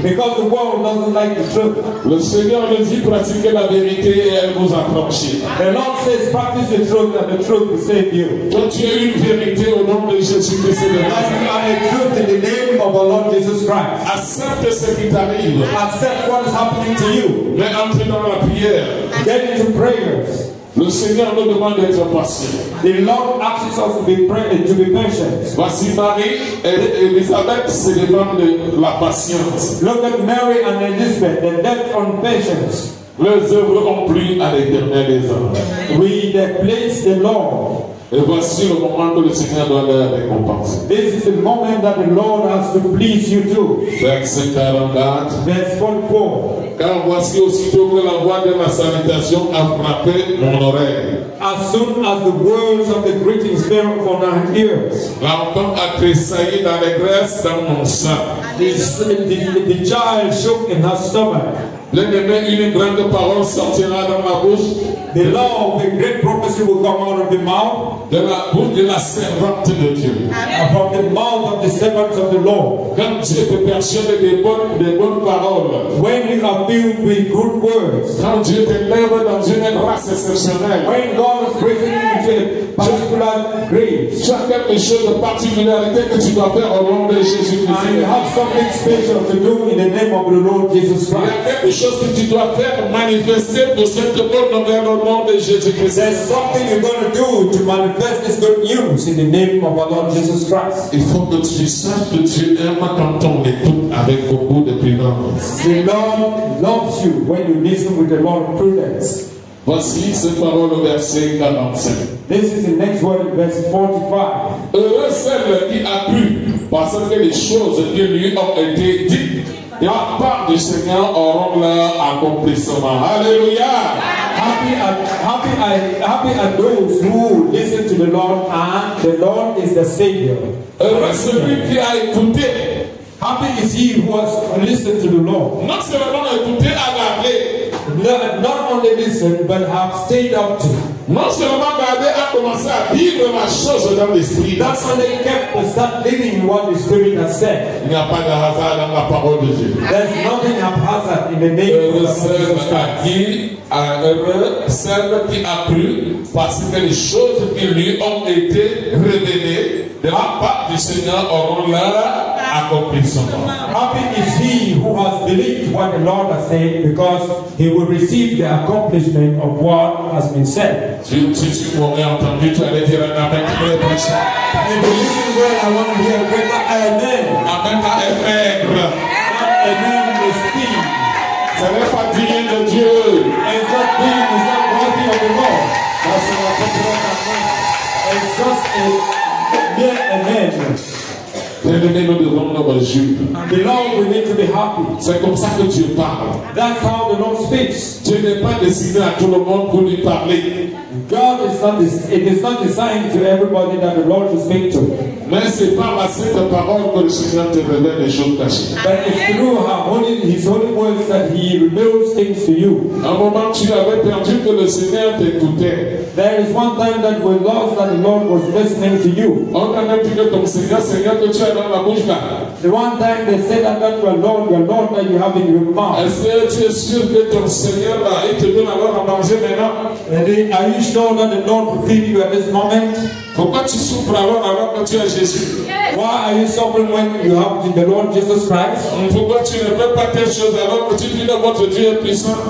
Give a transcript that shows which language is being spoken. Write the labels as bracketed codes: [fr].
[en] Because the world doesn't like the truth. [fr] Le Seigneur le dit, pratiquez la vérité et elle vous affranchira. [en] The Lord says, practice the truth and the truth will save you. [fr] Donc tu es une vérité au nom de Jésus-Christ. [en] You are a truth in the name of our Lord Jesus Christ. [fr] Accepte ce qui t'arrive. [en] Accept what is happening to you. [fr] Mais entre dans la prière. [en] Get into prayers. [fr] Le Seigneur nous demande d'être patient. [en] The Lord asks us to be prayed, to be patient. [fr] Voici Marie et Elisabeth se demandent la patience. [en] Look at Mary and Elizabeth, the depth on patience. [fr] Leurs œuvres ont plu à l'Éternel des âmes. [en] We place the Lord. [fr] Et voici le moment que le Seigneur doit les récompenser. [en] This is the moment that the Lord has to please you too. [fr] Verset 44. [en] Verse 44. [fr] Car voici aussitôt que la voix de ma salutation a frappé mon oreille. [en] As soon as the words of the greetings fell upon our ears. [fr] L'enfant a tressailli d'allégresse dans mon sein. [en] The child shook in her stomach. [fr] L'ennemi, une grande parole sortira dans ma bouche. [en] The law of the great prophecy will come out of the mouth. [fr] De la bouche de la servante de Dieu. Amen. [en] From the mouth of the servants of the Lord. [fr] Quand tu te persuades des bonnes paroles. [en] When you are filled with good words. [fr] Quand Dieu te lève dans une grâce exceptionnelle. [en] When God is raising you to a particular grave. [fr] Chaque péché de particularité que tu dois faire au nom de Jésus-Christ. [en] And you have something special to do in the name of the Lord Jesus Christ. [fr] Des choses que tu dois faire manifester pour cette bonne nouvelle au nom de Jésus-Christ. [en] There's something you're going to do to manifest this good news in the name of our Lord Jesus Christ. [fr] Il faut que tu saches que tu aimes quand on écoute avec beaucoup de prudence. [en] The Lord loves you when you listen with a lot of prudence. [fr] Voici ces paroles au verset 45. [en] This is the next word in verse 45. [fr] Heureux celle qui a cru parce que les choses qui lui ont été dites. La part du Seigneur auront leur accomplissement. Alléluia. [en] Happy are those who listen to the Lord and the Lord is the Savior. [fr] Heureux celui qui a écouté. [en] Happy is he who has listened to the Lord. [fr] Non seulement écouté à garder. [en] Not only listen, but have stayed up to. [fr] Non seulement garder à commencer à vivre ma chose dans l'esprit. [en] That's when they kept to start living what the Spirit has said. [fr] Il n'y a pas de hasard dans la parole de Dieu. [en] There's nothing haphazard in the name of Jesus Christ. [fr] Celle qui a cru parce que les choses qui lui ont été révélées de la part du Seigneur auront leur accomplissement. [en] Happy is he who has believed what the Lord has said because he will receive the accomplishment of what has been said. [fr] Si tu m'aurais entendu, tu allais dire un amen. [en] If you listen well, I want to hear a greater amen. [fr] Amen est maigre. [en] Amen is thin. [fr] Ce n'est pas digne de Dieu. [en] It's not being, it's not worthy of the Lord. That's what I'm talking about. It's just a mere amen. [fr] Bien-aimés, nous devons nous réjouir. [en] The Lord, we need to be happy. [fr] C'est comme ça que Dieu parle. [en] That's how the Lord speaks. [fr] Dieu n'est pas destiné à tout le monde pour lui parler. [en] God is not it is not designed to everybody that the Lord will speak to. [fr] Mais c'est par la sainte parole que le Seigneur te révèle les choses cachées. [en] But it's through His holy words that He reveals things to you. [fr] À un moment, tu avais perdu que le Seigneur t'écoutait. [en] There is one time that we lost that the Lord was listening to you. [fr] On a même dit que ton Seigneur que tu as dans la bouche là. [en] The one time they said that to your Lord that you have in your mouth. [fr] Est-ce que tu es sûr que ton Seigneur là, il te donne alors à manger maintenant? [en] Are you sure that the Lord will feed you at this moment? [fr] Pourquoi tu souffres alors que tu as Jésus? [en] Why are you suffering when you have the Lord Jesus Christ? [fr] Pourquoi tu ne fais pas telle chose alors que tu dis que votre Dieu est puissant?